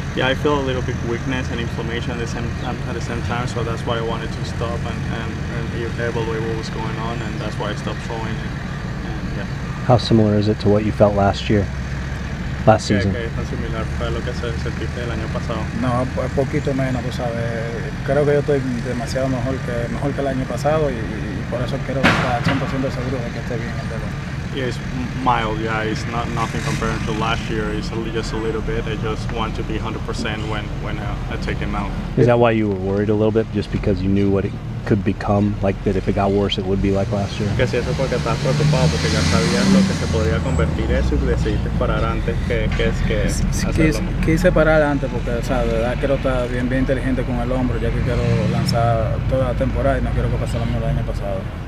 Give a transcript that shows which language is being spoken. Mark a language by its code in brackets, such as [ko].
[en] Yeah, I feel a little bit weakness and inflammation at the same time, so that's why I wanted to stop and evaluate what was going on, and that's why I stopped throwing it. How similar is it to what you felt last year, last season? Okay, [es] es tan similar a lo que sentiste el año pasado. No, es poquito menos, tú sabes. Creo que yo estoy demasiado mejor que el año pasado, y por eso quiero estar 100% seguro de que esté bien el dedo. [en] Yeah, it's mild, yeah. It's nothing compared to last year. It's just a little bit. I just want to be 100% when I take him out. Is that why you were worried a little bit, just because you knew what it could become, like that if it got worse it would be like last year? [es] Que si eso porque estás preocupado porque ya sabías lo que se podría convertir eso y decidiste parar antes que hacerlo. Quise parar antes porque, o sea, de verdad quiero estar bien bien inteligente con el hombro, ya que quiero lanzar toda la temporada y no quiero que pase lo mismo el año pasado.